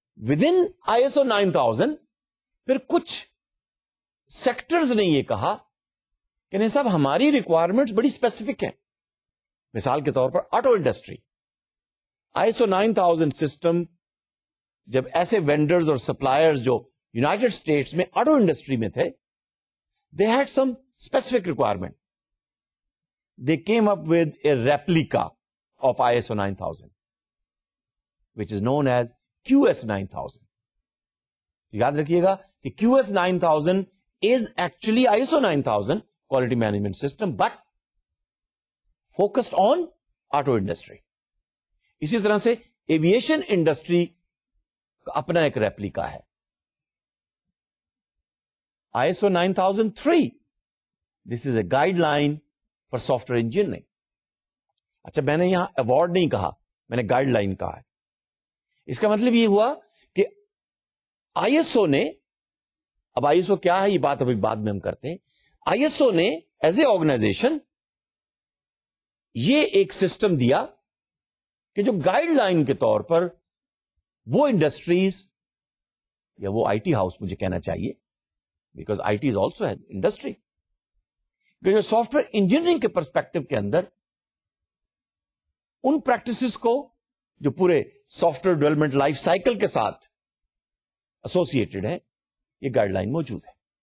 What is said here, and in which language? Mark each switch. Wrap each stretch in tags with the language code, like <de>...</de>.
<en>Within ISO 9000</en> <ur>پھر کچھ sectors نے یہ کہا کہ نہیں صاحب ہماری ریکوائرمنٹس بڑی اسپیسیفک ہیں. مثال کے طور پر auto industry, I S O 9000 system جب ایسے وینڈرز اور سپلائرز جو یوناٹیڈ اسٹیٹس میں آٹو انڈسٹری میں تھے,</ur> <en>They had some specific requirement. They came up with a replica of I S O 9000 which is known as Q S 9000.</en> <ur>یاد رکھیے گا کہ</ur> <en>Q S 9000 is actually ISO 9000 quality management system but focused on auto industry.</en> <ur>اسی طرح سے aviation industry کا اپنا ایک replica ہے.</ur> <en>ISO 9003, this is a guideline for software engineering.</en> <ur>اچھا میں نے یہاں award نہیں کہا, میں نے guideline کہا ہے. اس کا مطلب یہ ہوا کہ ISO نے, اب ISO کیا ہے یہ بات ابھی بعد میں ہم کرتے ہیں, ISO نے</ur> <en>as a organisation</en> <ur>یہ ایک سسٹم دیا کہ جو گائیڈ لائن کے طور پر وہ انڈسٹریز یا وہ آئی ٹی ہاؤس, مجھے کہنا چاہیے</ur> <en>because I T is also industry,</en> <ur>کہ جو سافٹ ویئر انجینئرنگ کے پرسپیکٹو کے اندر ان پریکٹسز کو جو پورے soft where development life cycle کے ساتھ ایسوسیٹڈ ہیں, یہ گائیڈ لائن موجود ہے.</ur>